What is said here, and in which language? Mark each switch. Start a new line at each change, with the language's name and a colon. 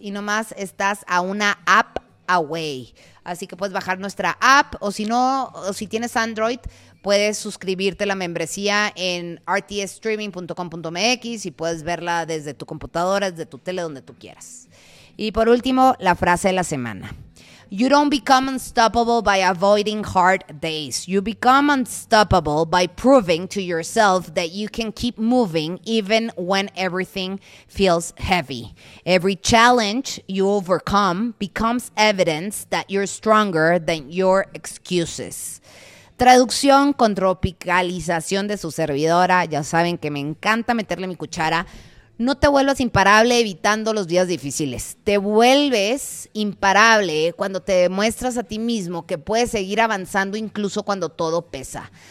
Spanish: Y nomás estás a una
English: app away.
Spanish: Así que puedes bajar nuestra app o si no, o si tienes Android, puedes suscribirte a la membresía en rtsstreaming.com.mx y puedes verla desde tu computadora, desde tu tele, donde tú quieras. Y por último, la frase de la semana.
English: You don't become unstoppable by avoiding hard days. You become unstoppable by proving to yourself that you can keep moving even when everything feels heavy. Every challenge you overcome becomes evidence that you're stronger than your excuses.
Spanish: Traducción con tropicalización de su servidora. Ya saben que me encanta meterle mi cuchara. No te vuelvas imparable evitando los días difíciles. Te vuelves imparable cuando te demuestras a ti mismo que puedes seguir avanzando incluso cuando todo pesa.